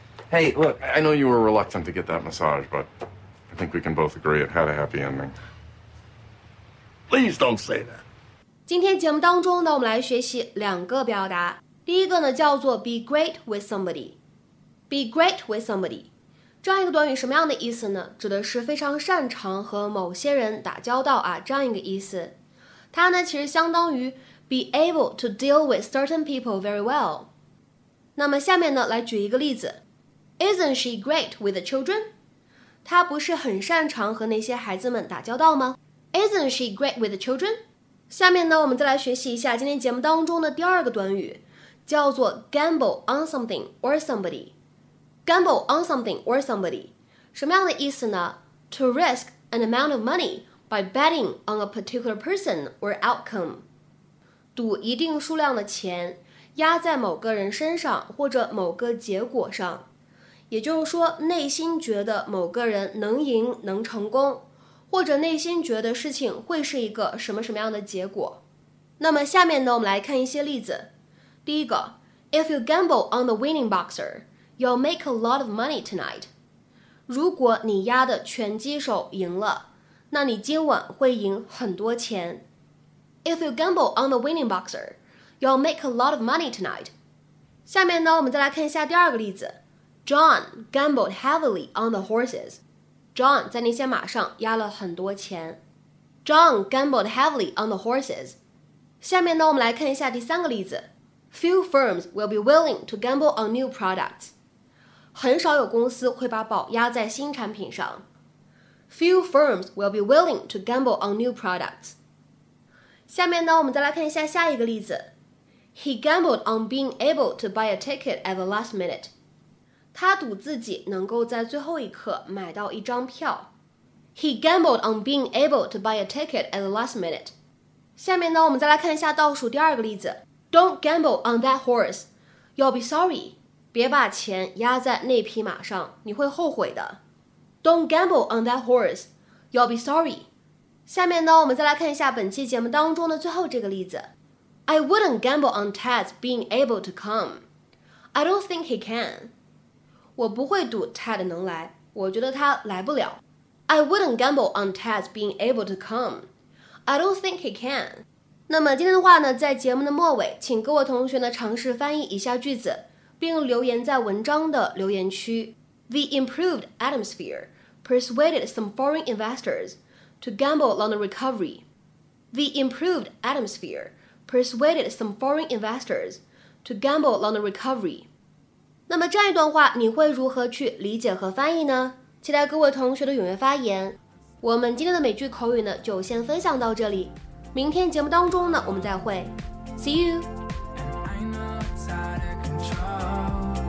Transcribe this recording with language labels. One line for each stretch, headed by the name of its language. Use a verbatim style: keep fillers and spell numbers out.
English: Hey, look, I know you were reluctant to get that massage, but I think we can both agree it had a happy ending. Please don't say that.
Chinese: 今天节目当中呢，我们来学习两个表达。第一个呢，叫做
English: be great with somebody. Be great with somebody.
Chinese: 这样一个短语什么样的意思呢？指的是非常擅长和某些人打交道啊，这样一个意思。它呢，其实相当于
English: Be able to deal with certain people very well.
Chinese: 那么下面呢，来举一个例子。
English: Isn't she great with the children?
Chinese: 她不是很擅长和那些孩子们打交道吗？
English: Isn't she great with the children?
Chinese: 下面呢，我们再来学习一下今天节目当中的第二个短语，叫做
English: gamble on something or somebody. Gamble on something or somebody.
Chinese: 什么样的意思呢？
English: To risk an amount of money by betting on a particular person or outcome.
Chinese: 赌一定数量的钱压在某个人身上或者某个结果上，也就是说，内心觉得某个人能赢能成功，或者内心觉得事情会是一个什么什么样的结果。那么下面呢，我们来看一些例子。第一个
English: ，If you gamble on the winning boxer, you'll make a lot of money tonight.
Chinese: 如果你压的拳击手赢了，那你今晚会赢很多钱。
English: If you gamble on the winning boxer, you'll make a lot of money tonight.
Chinese: 下面呢，我们再来看一下第二个例子。
English: John gambled heavily on the horses.
Chinese: John 在那些马上压了很多钱。
English: John gambled heavily on the horses.
Chinese: 下面呢，我们来看一下第三个例子。
English: Few firms will be willing to gamble on new products.
Chinese: 很少有公司会把宝压在新产品上。
English: Few firms will be willing to gamble on new products.
Chinese: 下面呢，我们再来看一下下一个例子。
English: He gambled on being able to buy a ticket at the last minute.
Chinese: 他赌自己能够在最后一刻买到一张票。
English: He gambled on being able to buy a ticket at the last minute.
Chinese: 下面呢，我们再来看一下倒数第二个例子。
English: Don't gamble on that horse. You'll be sorry.
Chinese: 别把钱压在那匹马上，你会后悔的。
English: Don't gamble on that horse. You'll be sorry.
Chinese: 下面呢，我们再来看一下本期节目当中的最后这个例子。
English: I wouldn't gamble on Ted's being able to come. I don't think he can.
Chinese: 我不会赌 Ted 能来，我觉得他来不了。
English: I wouldn't gamble on Ted's being able to come. I don't think he can.
Chinese: 那么今天的话呢，在节目的末尾，请各位同学呢尝试翻译以下句子，并留言在文章的留言区。
English: The improved atmosphere persuaded some foreign investors to gamble on the recovery. The improved atmosphere persuaded some foreign investors to gamble on the recovery.
Chinese: 那么这样一段话，你会如何去理解和翻译呢？期待各位同学的踊跃发言。我们今天的美剧口语呢，就先分享到这里。明天节目当中呢，我们再会。
English: See you!